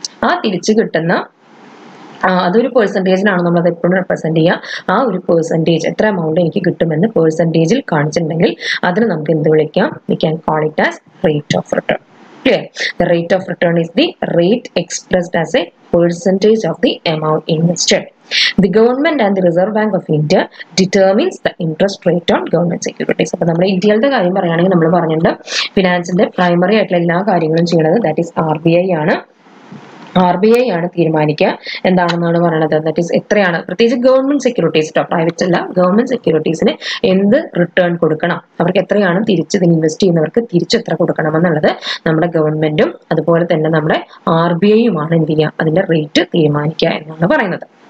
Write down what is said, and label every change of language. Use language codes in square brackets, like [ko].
[ml] ആ തിരിച്ച് കിട്ടുന്ന അതൊരു പെർസെൻറ്റേജിനാണ് നമ്മൾ അത് എപ്പോഴും റെപ്രസെൻറ്റ് ചെയ്യുക. ആ ഒരു പെർസെൻറ്റേജ് എത്ര എമൗണ്ട് എനിക്ക് കിട്ടുമെന്ന് പെർസെൻറ്റേജിൽ കാണിച്ചിട്ടുണ്ടെങ്കിൽ അതിന് നമുക്ക് എന്ത് വിളിക്കാം, [en] We can call it as rate of return. The rate of return is the rate expressed as a percentage of the amount invested. The government and the Reserve Bank of India determines the interest rate on government securities. [ml] അപ്പോൾ നമ്മൾ ഇന്ത്യയിലെ കാര്യം പറയുകയാണെങ്കിൽ നമ്മൾ പറഞ്ഞിട്ടുണ്ട് ഫിനാൻസിന്റെ primary ആയിട്ടുള്ള എല്ലാ കാര്യങ്ങളും ചെയ്യുന്നത് that is R B I ആണ്. ആർ ബി ഐ ആണ് തീരുമാനിക്കുക എന്താണെന്നാണ് പറയുന്നത്. ദാറ്റ് ഇസ് എത്രയാണ്, പ്രത്യേകിച്ച് ഗവൺമെന്റ് സെക്യൂരിറ്റീസ് കേട്ടോ, പ്രൈവറ്റ് അല്ല, ഗവൺമെന്റ് സെക്യൂരിറ്റീസിന് എന്ത് റിട്ടേൺ കൊടുക്കണം, അവർക്ക് എത്രയാണ് തിരിച്ച്, ഇതിന് ഇൻവെസ്റ്റ് ചെയ്യുന്നവർക്ക് തിരിച്ച് എത്ര കൊടുക്കണം എന്നുള്ളത് നമ്മുടെ ഗവൺമെന്റും അതുപോലെ തന്നെ നമ്മുടെ ആർ ബി ഐയുമാണ് എന്ത് ചെയ്യുക, അതിന്റെ റേറ്റ് തീരുമാനിക്കുക എന്നാണ് പറയുന്നത്.